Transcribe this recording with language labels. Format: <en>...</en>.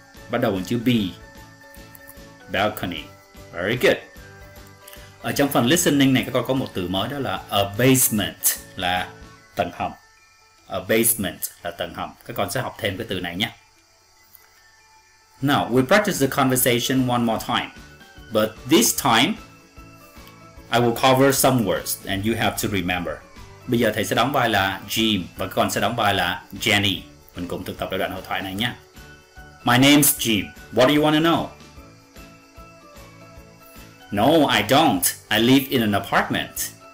<vi>Bắt đầu bằng chữ B. Balcony.</vi> <en>Very good.</en> <vi>Ở trong phần listening này các con có một từ mới đó là a basement, là tầng hầm. A basement là tầng hầm. Các con sẽ học thêm cái từ này nhé.</vi> <en>Now, we practice the conversation one more time. But this time, I will cover some words and you have to remember.</en> <vi>Bây giờ thầy sẽ đóng vai là Jim và các con sẽ đóng vai là Jenny. Mình cùng thực tập đoạn hội thoại này nhé.</vi> <en>My name's Jim. What do you want to know? No, I don't. I live in an apartment.</en>